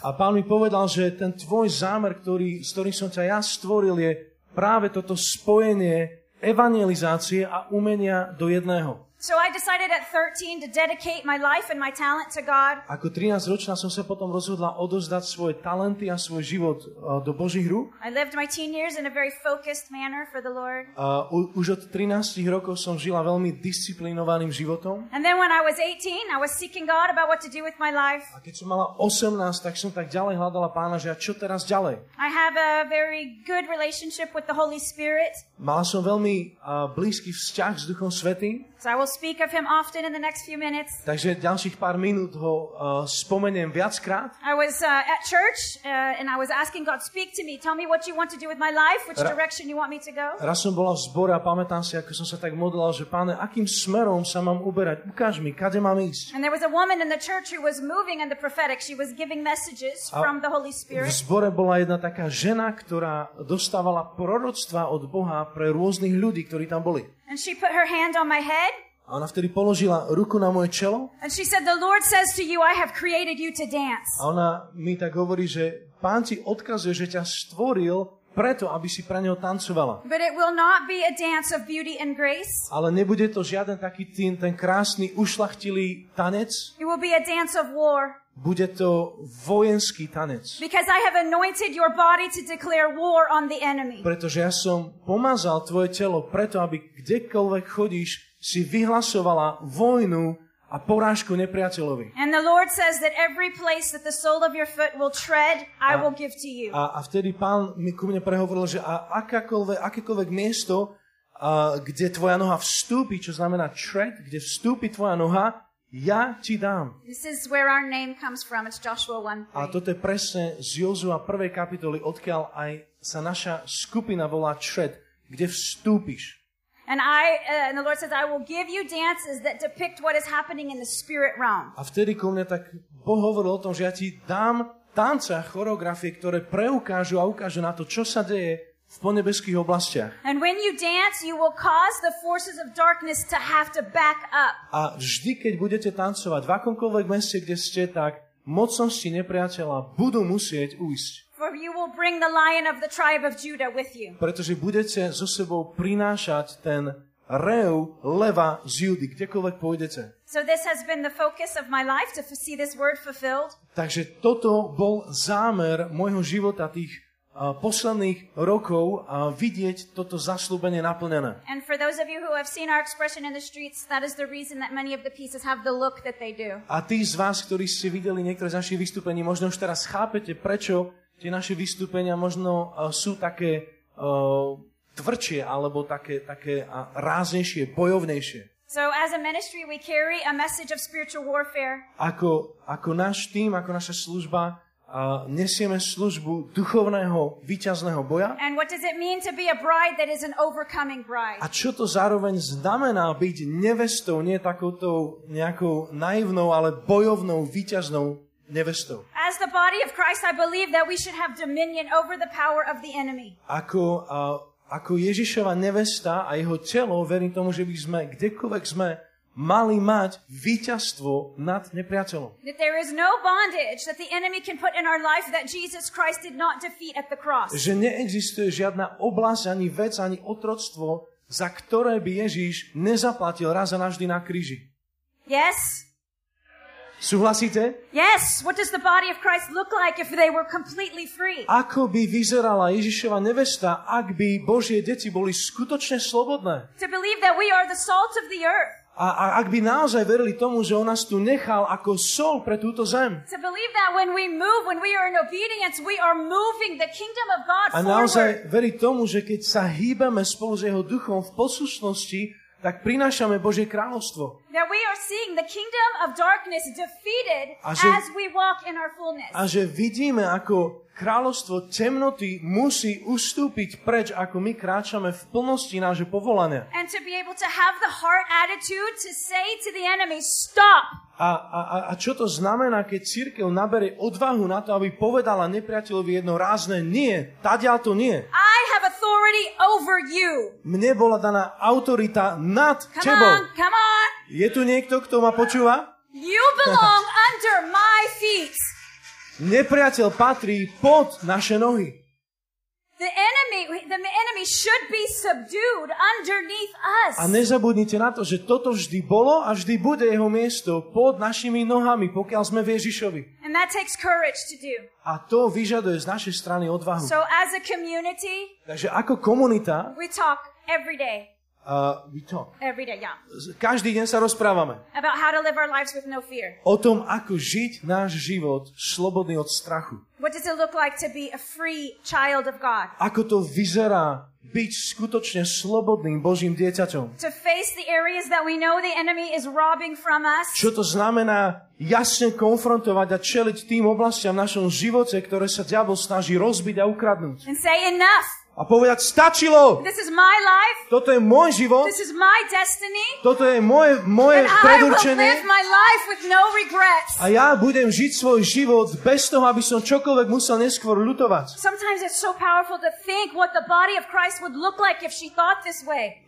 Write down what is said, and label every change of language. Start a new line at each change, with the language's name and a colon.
Slovak: A Pán mi povedal, že ten tvoj zámer, ktorý som ťa ja stvoril, je práve toto spojenie evangelizácie a umenia do jedného.
English: So I decided at 13 to dedicate my life and my talent to God.
Slovak: Ako 13 ročná som sa potom rozhodla odovzdať svoje talenty a svoj život do Božích rúk.
English: I lived my teen years in a very focused manner for the Lord.
Slovak: Už od 13 rokov som žila veľmi disciplinovaným životom.
English: And then when I was 18, I was seeking God about what to do with my life.
Slovak: A keď som mala 18, tak som tak ďalej hľadala Pána, že a čo teraz ďalej?
English: I have a very good relationship with the Holy Spirit.
Slovak: Mala som veľmi blízky vzťah s Duchom Svätým.
English: So I will speak of him often in the next few minutes.
Slovak: Takže ďalších pár minút ho spomeniem viackrát.
English: I was at church and I was asking God, speak to me, tell me what you want to do with my life, which direction you want me to go.
Slovak: Raz som bola v zbore a pamätám si, ako som sa tak modlila, že Pane, akým smerom sa mám uberať? Ukáž mi, kade mám ísť?
English: And there was a woman in the church who was moving in the prophetic. She was giving messages from the Holy Spirit.
Slovak: V zbore bola jedna taká žena, ktorá dostávala proroctvá od Boha pre rôznych ľudí, ktorí tam boli.
English: And she put her hand on my head.
Slovak: A ona vtedy položila ruku na moje čelo.
English: And she said, "The Lord says to you, I have created you to dance."
Slovak: A ona mi tak hovorí, že Pán ti odkazuje, že ťa stvoril preto, aby si pre neho tancovala.
English: But it will not be a dance of beauty and grace.
Slovak: Ale nebude to žiaden taký ten krásny ušlachtilý tanec.
English: It will be a dance of war.
Slovak: Bude to vojenský tanec.
English: Because I have anointed your body to declare war on the enemy.
Slovak: Pretože ja som pomazal tvoje telo preto, aby kdekoľvek chodíš, si vyhlasovala vojnu a porážku nepriateľovi.
English: And the Lord says that every place that the sole of your foot will tread, I will give to you.
Slovak: A vtedy Pán mi ku mne prehovoril, že akékoľvek miesto, kde tvoja noha vstúpi, čo znamená tread, kde vstúpi tvoja noha, ja ti dám.
English: This is where our name comes from. It's Joshua 1:3.
Slovak: A toto je presne z Jozua 1. kapitoly, odkiaľ aj sa naša skupina volá Tred, kde vstúpiš.
English: And the Lord says, I will give you dances that depict what is happening in the spirit realm.
Slovak: A vtedy ku mne tak Boh hovoril o tom, že ja ti dám tance a choreografie, ktoré preukážu a ukážu na to, čo sa deje v ponebeských oblastiach.
English: And when you dance, you will cause the forces of darkness to have to back up.
Slovak: A vždy, keď budete tancovať v akomkoľvek meste, kde ste, tak mocnosti nepriateľa budú musieť ujsť.
English: For you will bring the lion of the tribe of Judah with you.
Slovak: Pretože budete so sebou prinášať ten reu leva z Judy, kdekoľvek pôjdete.
English: So this has been the focus of my life, to see this word fulfilled.
Slovak: Takže toto bol zámer môjho života tých posledných rokov a vidieť toto zasľúbenie naplnené.
English: And for those of you who have seen our expression in the streets, that is the reason that many of the pieces have the look that they do.
Slovak: A tí z vás, ktorí ste videli niektoré z našich vystúpení, možno už teraz chápete, prečo tie naše vystúpenia možno sú také tvrdšie alebo také ráznejšie, bojovnejšie.
English: So as a ministry we carry a message of spiritual warfare.
Slovak: Ako náš tím, ako naša služba nesieme službu duchovného víťazného boja.
English: And what does it mean to be a bride that is an overcoming bride?
Slovak: A čo to zároveň znamená byť nevestou, nie takouto nejakou naivnou, ale bojovnou víťaznou nevestou?
English: As the body of Christ, I believe that we should have dominion over the power of the enemy.
Slovak: Ako Ježišova nevesta a jeho telo, verím tomu, že by sme kdekoľvek sme mali mať víťazstvo nad nepriateľom.
English: That there is no bondage that the enemy can put in our life that Jesus Christ did not defeat at the cross.
Slovak: Že neexistuje žiadna oblasť, ani vec, ani otroctvo, za ktoré by Ježiš nezaplatil raz a navždy na kríži.
English: Yes.
Slovak: Súhlasíte?
English: Yes, what does the body of Christ look like if they were completely free?
Slovak: Ako by vyzerala Ježišova nevesta, ak by Božie deti boli skutočne slobodné?
English: To believe that we are the salt of the earth.
Slovak: A ak by naozaj verili tomu, že on nás tu nechal ako sol pre túto zem.
English: To believe that when we move, when we are in obedience, we are moving the kingdom of God forward.
Slovak: A naozaj verí tomu, že keď sa hýbame spolu s jeho duchom v poslušnosti, tak prinášame Božie kráľovstvo.
English: That we are seeing the kingdom of darkness defeated as we walk in our fullness.
Slovak: A že vidíme, ako kráľovstvo temnoty musí ustúpiť preč, ako my kráčame v plnosti nášho povolania.
English: And to be able to have the heart attitude to say to the enemy, stop.
Slovak: A čo to znamená, keď cirkev naberie odvahu na to, aby povedala nepriateľovi jedno rázne nie, tadiaľ to nie.
English: I have authority over you.
Slovak: Mne bola daná autorita nad tebou.
English: Come on, come on.
Slovak: Je tu niekto, kto ma počúva?
English: You belong under my feet.
Slovak: Nepriateľ patrí pod naše nohy.
English: The enemy should be subdued underneath us.
Slovak: A nezabudnite na to, že toto vždy bolo a vždy bude jeho miesto pod našimi nohami, pokiaľ sme v Ježišovi.
English: And that takes courage to do.
Slovak: A to vyžaduje z našej strany odvahu.
English: So as a community,
Slovak: takže ako komunita,
English: we talk every day. We talk. Every day, yeah.
Slovak: Každý deň sa rozprávame.
English: About how to live our lives with no fear.
Slovak: O tom, ako žiť náš život slobodný od strachu.
English: What does it look like to be a free child of God?
Slovak: Ako to vyzerá byť skutočne slobodným Božím dieťaťom?
English: To face the areas that we know the enemy is robbing from us.
Slovak: Čo to znamená jasne konfrontovať a čeliť tým oblastiam v našom živote, ktoré sa diabol snaží rozbiť a ukradnúť?
English: And say enough.
Slovak: A povedať, stačilo.
English: This is my life.
Slovak: Toto je môj život.
English: This is my destiny.
Slovak: Toto je moje predurčenie.
English: And I will live my life with no regrets.
Slovak: A ja budem žiť svoj život bez toho, aby som čokoľvek musel neskôr ľutovať.
English: Sometimes it's so powerful to think what the body of Christ would look like if she thought this way.